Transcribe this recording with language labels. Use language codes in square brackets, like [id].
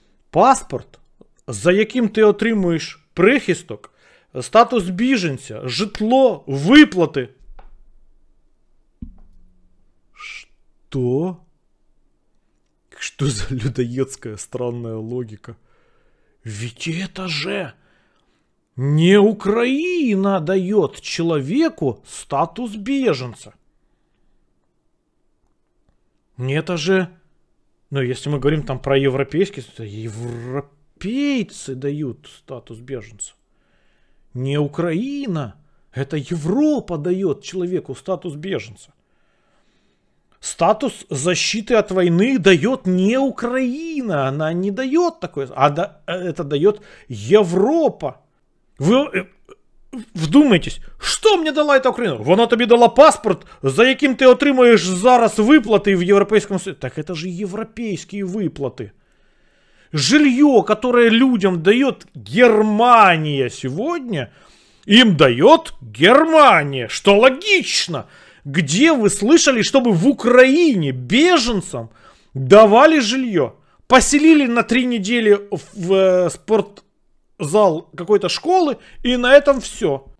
[uk] Паспорт, за яким ти отримуєш прихисток, статус біженця, житло, виплати. [ru] Що? Що за людоєдська странна логіка? Ведь это же не Україна дает человеку статус біженця. Не это же... Ну, если мы говорим там про европейские, то европейцы дают статус беженца. Не Украина, это Европа дает человеку статус беженца. Статус защиты от войны дает не Украина, она не дает такой, это дает Европа. Вы вдумайтесь, что мне дала эта Украина? [uk] Вона тобі дала паспорт, за яким ти отримуєш зараз виплати в Європейському Союзі. [ru] Так это же [uk] європейські виплати. [ru] Жильё, которое людям даёт Германия сегодня, им даёт Германия, что логично. Где вы слышали, чтобы в Украине беженцам давали жильё? Поселили на 3 недели в спортзал какой-то школы, и на этом все.